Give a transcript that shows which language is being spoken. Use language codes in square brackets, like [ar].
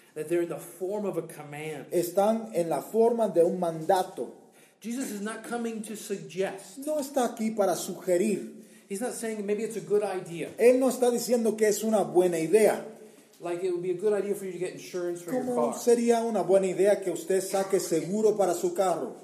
[en] That they're in the form of a command. [es] Están en la forma de un mandato. [en] Jesus is not coming to suggest. [es] No está aquí para sugerir. [en] He's not saying maybe it's a good idea. [es] Él no está diciendo que es una buena idea. [en] Like it would be a good idea for you to get insurance for your car. [es] ¿Cómo sería una buena idea que usted saque seguro para su carro?